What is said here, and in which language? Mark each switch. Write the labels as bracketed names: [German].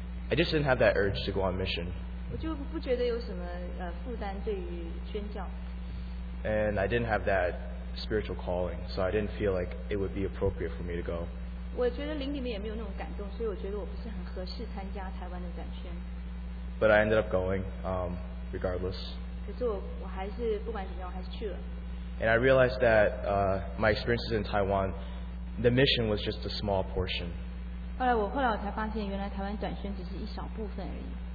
[English] I just didn't have that urge to go on mission. [Chinese] 我就不觉得有什么, 负担对于宣教。 [English] And I didn't have that spiritual calling, so I didn't feel like it would be appropriate for me to go. [Chinese] 我觉得灵里面也没有那种感动, 所以我觉得我不是很合适参加台湾的展宣。 [English] But I ended up going, regardless. [Chinese] 可是我还是不管怎么样，我还是去了。 [English] And I realized that my experiences in Taiwan, the mission was just a small portion. [Chinese] 后来我才发现，原来台湾展宣只是一小部分而已。